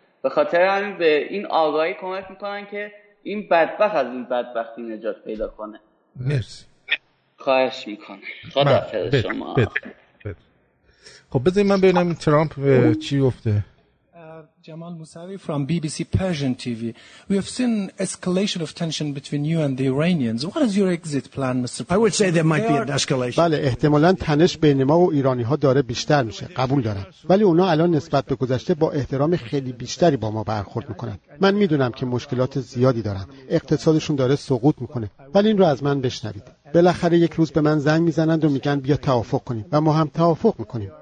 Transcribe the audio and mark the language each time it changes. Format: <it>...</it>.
<fa>به خاطر همین به این آگاهی کمک میکنن که این بدبخت از این بدبختی نجات پیدا کنه. مرسی. خواهش میکنه. خدا حافظ شما. خب بذاریم من ببینم ترامپ چی گفته.</fa> <en>Jamal Mousavi from BBC Persian TV. We have seen escalation of tension between you and the Iranians. What is your exit plan, Mr. I would say there might be an escalation.</en> <fa>بله احتمالاً تنش بین ما و ایرانی‌ها داره بیشتر میشه. قبول دارم. ولی اونا الان نسبت به گذشته با احترام خیلی بیشتری با ما برخورد میکنن. من میدونم که مشکلات زیادی دارن. اقتصادشون داره سقوط میکنه. ولی این رو از من بشنوید. بالاخره یک روز به من زنگ میزنند و میگن بیا توافق کنیم و ما هم توافق میکنیم.</fa>